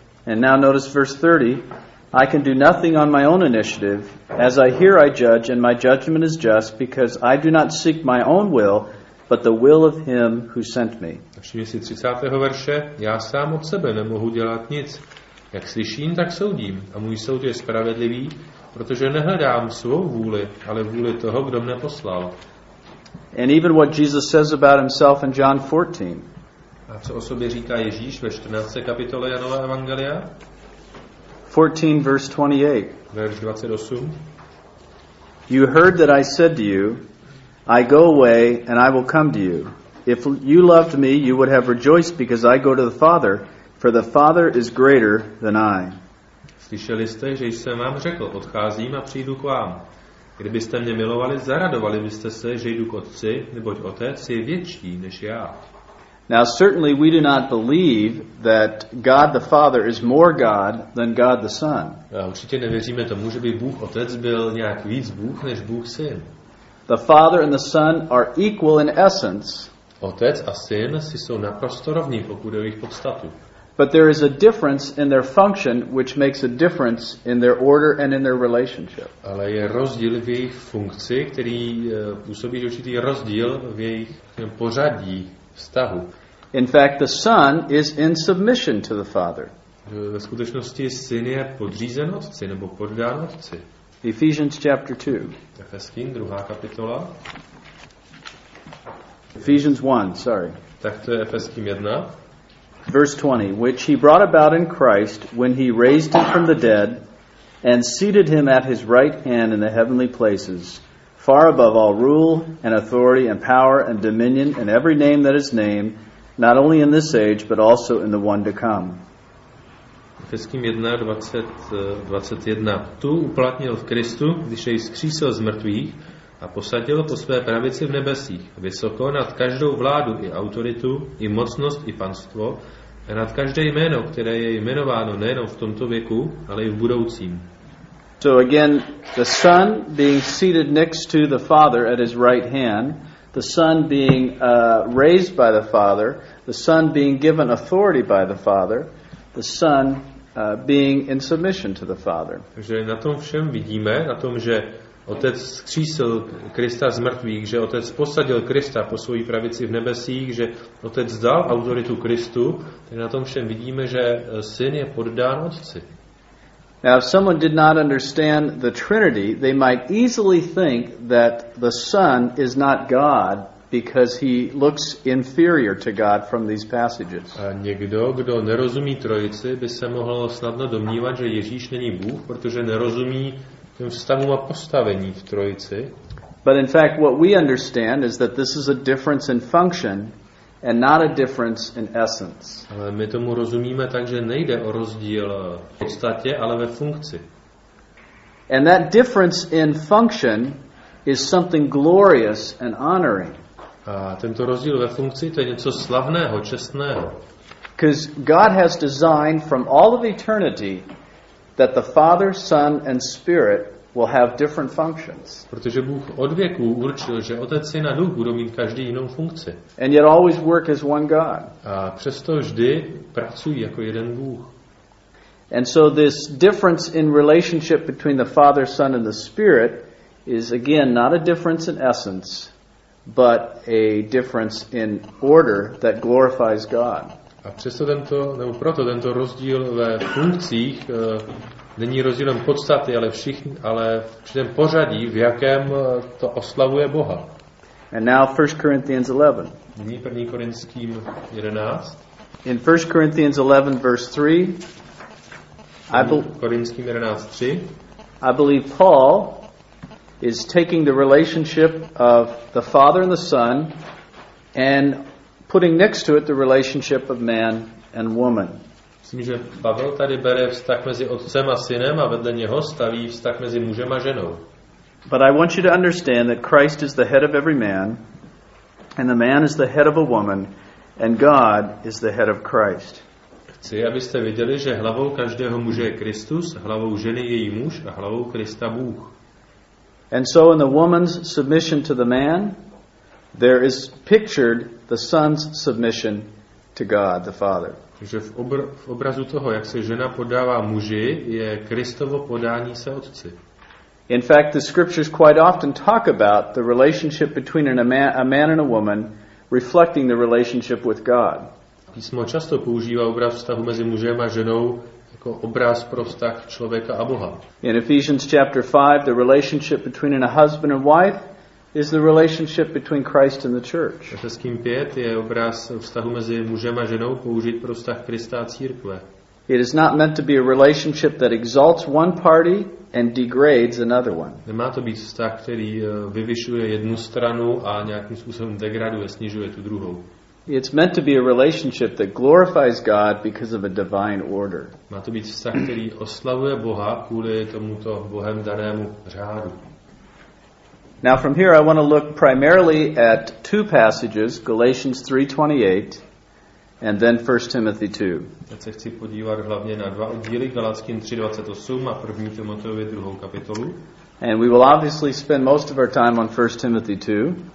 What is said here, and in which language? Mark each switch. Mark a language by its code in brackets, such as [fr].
[en] And now notice verse 30. I can do nothing on my own initiative. As I hear, I judge, and my judgment is just, because I do not seek my own will, but the will of him who sent me. [cs] Všimně si 30. verše. Já sám od sebe nemohu dělat nic. Jak slyším, tak soudím, a můj soud je spravedlivý, protože nehledám svou vůli, ale vůli toho, kdo mne poslal. [en] And even what Jesus says about himself in John 14. [cs] A co o sobě říká Ježíš ve 14. kapitole Janova evangelia? [en] 14 verse 28. You heard that I said to you, I go away and I will come to you. If you loved me, you would have rejoiced because I go to the Father, for the Father is greater than I. [cs] Slyšeli jste, že jsem vám řekl, odcházím a přijdu k vám. Kdybyste mě milovali, zaradovali byste se, že jdu k Otci, neboť Otec je větší než já. [en] Now certainly we do not believe that God the Father is more God than God the Son. [cs] Určitě nevěříme tomu, že by Bůh Otec byl nějak víc Bůh než Bůh Syn. [en] The Father and the Son are equal in essence. [cs] Otec a Syn si jsou naprosto rovní, pokud je jejich podstatu. [en] But there is a difference in their function which makes a difference in their order and in their relationship. [cs] Ale je rozdíl v jejich funkci, který působí určitý rozdíl v jejich pořadí. Vztahu. [en] In fact, the Son is in submission to the Father. [cs] Ve skutečnosti Syn je podřízen Otci nebo poddán Otci. [en] Ephesians chapter 2. [cs] Efeským, druhá kapitola. [en] Ephesians 1, sorry. [cs] Tak to je Efeským 1. [en] Verse 20, which he brought about in Christ when he raised him from the dead and seated him at his right hand in the heavenly places. Far above all rule and authority and power and dominion and every name that is named, not only in this age, but also in the one to come. [cs] Efeským 1:20-21. Tu uplatnil v Kristu, když jej vzkřísil z mrtvých a posadil po své pravici v nebesích, vysoko nad každou vládu i autoritu, i mocnost, i panstvo, a nad každé jméno, které je jmenováno nejenom v tomto věku, ale i v budoucím. [en] So again, the Son being seated next to the Father at his right hand, the Son being raised by the Father, the Son being given authority by the Father, the Son being in submission to the Father. [cs] Takže na tom všem vidíme, na tom, že Otec vzkřísil Krista z mrtvých, že Otec posadil Krista po svojí pravici v nebesích, že Otec dal autoritu Kristu, tak na tom všem vidíme, že Syn je poddán Otci. [en] Now, if someone did not understand the Trinity, they might easily think that the Son is not God because he looks inferior to God from these passages. [cs] A někdo, kdo nerozumí Trojici, by se mohl snadno domnívat, že Ježíš není Bůh, protože nerozumí těm vztahům a postavení v Trojici. [en] But in fact, what we understand is that this is a difference in function and not a difference in essence. [cs] Ale my tomu rozumíme tak, že nejde o rozdíl v podstatě, ale ve funkci. [en] And that difference in function is something glorious and honoring. [cs] A tento rozdíl ve funkci, to je něco slavného, čestného. [en] Because God has designed from all of eternity that the Father, Son and Spirit will have different functions. [cs] Protože Bůh od věku určil, že Otec, Syn a Duch budou mít každý jinou funkci. [en] And yet always work as one God. [cs] A přesto vždy pracují jako jeden Bůh. [en] And so this difference in relationship between the Father, Son and the Spirit is again not a difference in essence, but a difference in order that glorifies God. [cs] A přesto tento, nebo proto tento rozdíl ve funkcích není rozdílem podstaty, ale všichni, ale při tom pořadí, v jakém to oslavuje Boha. [en] And now 1 Corinthians 11. [cs] Nyní 1. Korinským 11. [en] In 1 Corinthians 11 verse 3. I believe [cs] Korinským 11:3. [en] I believe Paul is taking the relationship of the Father and the Son and putting next to it the relationship of man and woman. [cs] Myslím, že Pavel tady bere vztah mezi otcem a synem a vedle něho staví vztah mezi mužem a ženou. [en] But I want you to understand that Christ is the head of every man and the man is the head of a woman and God is the head of Christ. [cs] Chci, abyste viděli, že hlavou každého muže je Kristus, hlavou ženy její muž a hlavou Krista Bůh. [en] And so in the woman's submission to the man, there is pictured the son's submission to God the Father. [cs] Takže v obrazu toho, jak se žena podává muži, je Kristovo podání se otci. [en] In fact, the scriptures quite often talk about the relationship between a man and a woman reflecting the relationship with God. [cs] Písmo často používá obraz vztahu mezi mužem a ženou jako obraz pro vztah člověka a Boha. [en] In Ephesians chapter 5, the relationship between a husband and wife is the relationship between Christ and the church. [cs] Efeským 5 je obraz vztahu mezi mužem a ženou použit pro vztah Krista a církve. [en] It is not meant to be a relationship that exalts one party and degrades another one. [cs] Nemá to být vztah, který vyvyšuje jednu stranu a nějakým způsobem degraduje, snižuje tu druhou. [en] It's meant to be a relationship that glorifies God because of a divine order. [cs] Má to být vztah, který oslavuje Boha kvůli tomuto Bohem danému řádu. [en] Now from here I want to look primarily at two passages, Galatians 3:28 and then 1 Timothy 2. [cs] Teď se chci podívat hlavně na dva oddíly, Galatským 3:28 a 1. Timoteovi 2. kapitolu. [en] And we will obviously spend most of our time on 1 Timothy 2.